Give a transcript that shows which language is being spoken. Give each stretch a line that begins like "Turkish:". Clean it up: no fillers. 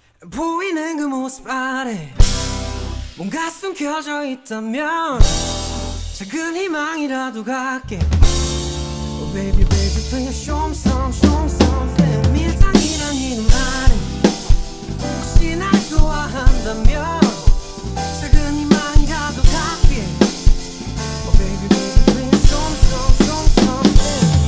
Korean: 보이는 그 모습 아래 뭔가 숨겨져 있다면 작은 희망이라도 갈게.
English: Oh baby baby can you show me some, show me something.
Korean: 밀당이란 이름 아래 혹시 날 좋아한다면 작은 희망이라도 갈게.
English: Oh baby baby can you show me some, show me something.